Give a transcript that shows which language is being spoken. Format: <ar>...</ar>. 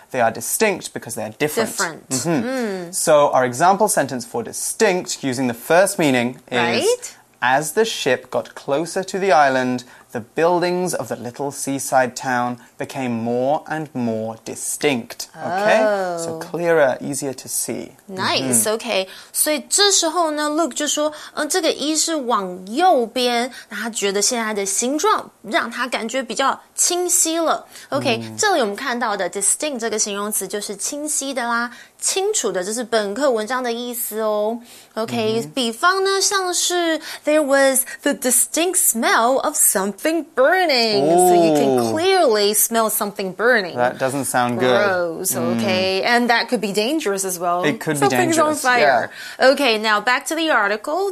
<en>They are distinct because they are different. So our example sentence for distinct, using the first meaning, is, as the ship got closer to the island, the buildings of the little seaside town became more and more distinct. Okay? So clearer, easier to see. Nice, okay.</en> <zh>所以这时候呢 ,Luke 就说这个E是往右边，他觉得现在的形状让他感觉比较清晰了。 Okay, 这里我们看到的 distinct 这个形容词就是清晰的啦。清楚的，这是本课文章的意思哦。</zh> <en>Okay,</en> <zh>比方呢，像是</zh> <en>there was the distinct smell of something burning. Ooh, so you can clearly smell something burning. That doesn't sound good. Okay, and that could be dangerous as well. It could be dangerous. Something's on fire. Okay, now back to the article.</en>